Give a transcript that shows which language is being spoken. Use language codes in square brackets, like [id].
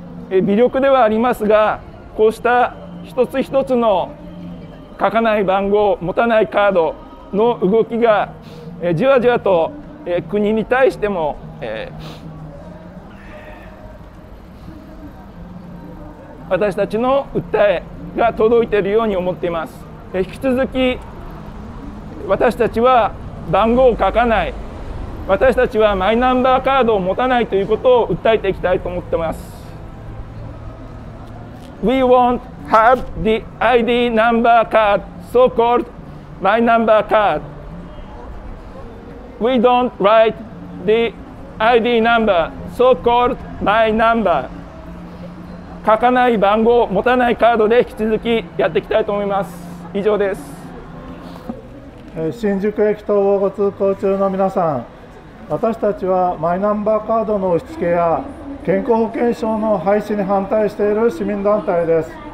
[ja] 微力ではありますが、こうした一つ一つの書かない番号、持たないカードの動きがじわじわと国に対しても私たちの訴えが届いているように思っています。引き続き私たちは番号を書かない、私たちはマイナンバーカードを持たないということを訴えていきたいと思っています。 [en] We won't have the ID number card, so called my number card. We don't write the ID number, so called my number. [ja] 書かない番号、持たないカードで引き続きやっていきたいと思います。以上です。新宿駅と東武通行中の皆さん、私たちはマイナンバーカードの押し付けや健康保険証の廃止に反対している市民団体です。